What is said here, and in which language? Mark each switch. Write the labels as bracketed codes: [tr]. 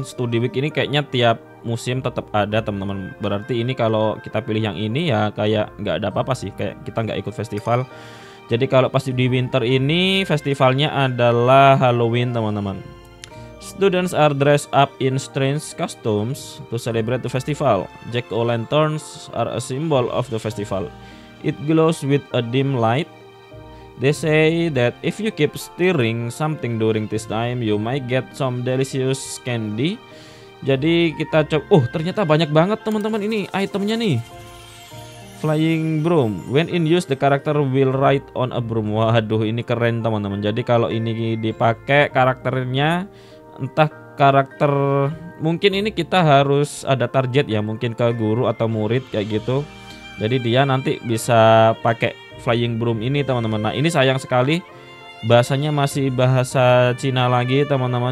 [id] Study week ini kayaknya tiap musim tetap ada teman-teman. Berarti ini kalau kita pilih yang ini ya kayak nggak ada apa-apa sih, kayak kita nggak ikut festival. Jadi kalau pasti di winter ini festivalnya adalah Halloween teman-teman. [en] Students are dressed up in strange costumes to celebrate the festival. Jack-o'-lanterns are a symbol of the festival. It glows with a dim light. They say that if you keep stirring something during this time, you might get some delicious candy. [id] Jadi kita coba. Ternyata banyak banget teman-teman ini itemnya nih. [en] Flying broom. When in use, the character will ride on a broom. [id] Waduh, ini keren teman-teman. Jadi kalau ini dipakai karakternya, entah karakter, mungkin ini kita harus ada target ya, mungkin ke guru atau murid kayak gitu. Jadi dia nanti bisa pakai flying broom ini teman-teman. Nah, ini sayang sekali bahasanya masih bahasa Cina lagi teman-teman.